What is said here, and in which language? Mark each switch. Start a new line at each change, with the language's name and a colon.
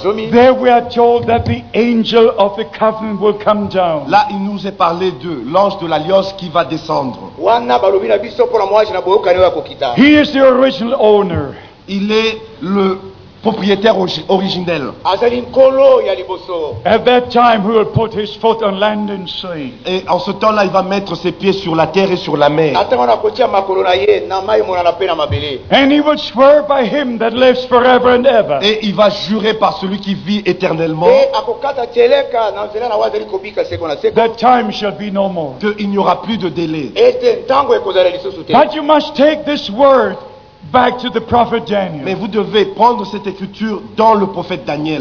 English: There we are told that the angel of the covenant will come down.
French: Là, il nous est parlé de l'ange de l'alliance qui va descendre.
English: He is the original owner.
French: Il est le propriétaire originel.
English: At that time, he will put his foot on land and sea.
French: Et en ce temps-là, il va mettre ses pieds sur la terre et sur la mer.
English: And he will swear by him that lives forever and ever.
French: Et il va jurer par celui qui vit éternellement.
English: That time shall be no more.
French: Qu'il n'y aura plus de délai.
English: But you must take this word back to the prophet Daniel.
French: Mais vous devez prendre cette écriture dans le prophète Daniel.